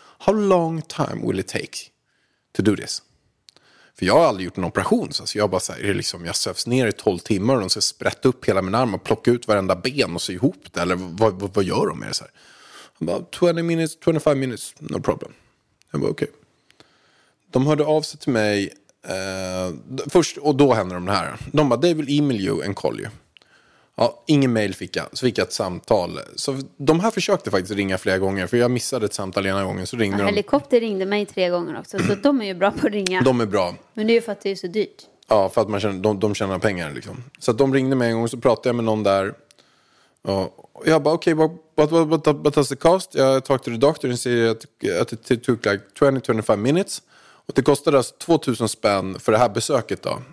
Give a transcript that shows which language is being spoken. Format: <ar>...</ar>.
<en>How long time will it take? To do this.</en> <sv>För jag har aldrig gjort en operation. Så jag bara så här, är liksom, jag sövs ner i 12 timmar. Och de ska sprätta upp hela min arm. Och plocka ut varenda ben och se ihop det. Eller vad gör de med det så här? Han bara,</sv> <en>20 minutes, 25 minutes. No problem.</en> <sv>Jag bara, okej.</sv> <en>Okay.</en> <sv>De hörde av sig till mig. Först, och då händer de här. De bara,</sv> <en>they will email you and call you.</en> <sv>Ja, ingen mail fick jag. Så fick jag ett samtal. Så de här försökte faktiskt ringa flera gånger. För jag missade ett samtal ena gången. Så ringde helikopter ringde mig 3 gånger också. Så de är ju bra på att ringa. De är bra. Men det är ju för att det är så dyrt. Ja, för att man känner, de tjänar pengar liksom. Så att de ringde mig en gång så pratade jag med någon där. Och jag bara, okej,</sv> <en>okay, what does the cost? Jag talked to the doctor and said att it took like 20-25 minutes.</en> <sv>Och det kostade alltså 2000 spänn för det här besöket då.</sv>